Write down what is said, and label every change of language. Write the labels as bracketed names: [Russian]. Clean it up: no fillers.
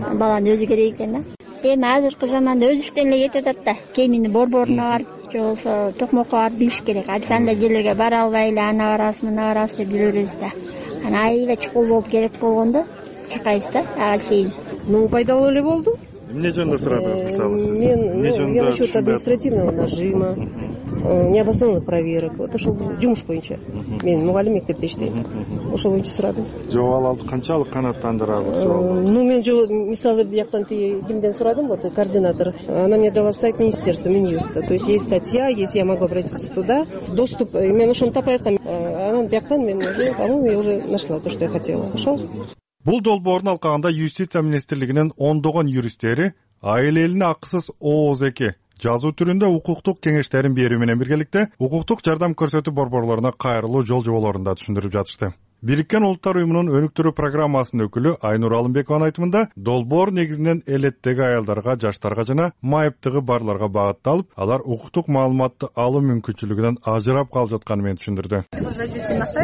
[Kyrgyz] Баланын өзү керек экен да. Эми азыркы заманда өз иштен эле кетип атат да. Кемини борборуна барып же болсо токмокко барып билиш керек. А биз андай жерлерге бара албай эле аны барасыз, мына барасыз деп жүрөбүз да. Анан аябай чукул болуп керек болгондо чыкайбыз да ага чейин. Ну пайдалуу эле болду. Эмне жөнүндө сурадыңыз мисалы сиз? [Russian] Мен насчет административного нажима. Необоснованных проверок. Вот [Kyrgyz] ошол жумуш боюнча. Мен мугалим мектепте иштейм. Ошол боюнча сурадым. Жоалалды канчалык канааттандырабы? Ну мен же мисалы бияктан тиги кимден сурадым, [Russian] вот координатор. Она мне дала сайт министерства, Минюста. То есть есть статья, если я могу обратиться туда. Доступ. [Kyrgyz] Мен ошону тапай атам. Анан бияктан мен, [Russian] по-моему, я уже нашла то, что я хотела. [Kyrgyz] Ошол. Бул долбоорун алкагында юстиция министрлигинин ондогон юристтери айыл элине акысыз ООЗЭКи жазуу түрүндө укуктук кеңештерин берүү менен биргеликте укуктук жардам көрсөтүү борборлоруна кайрылуу жол жоболорун да түшүндүрүп жатышты. Бириккен улуттар уюмунун өнүктүрүү программасынын өкүлү Айнура Алымбекованын айтымында долбоор негизинен элеттеги аялдарга, жаштарга жана майыптыгы барларга багытталып, алар укуктук маалыматты алуу мүмкүнчүлүгүнөн ажырап калып жатканын менен түшүндүрдү.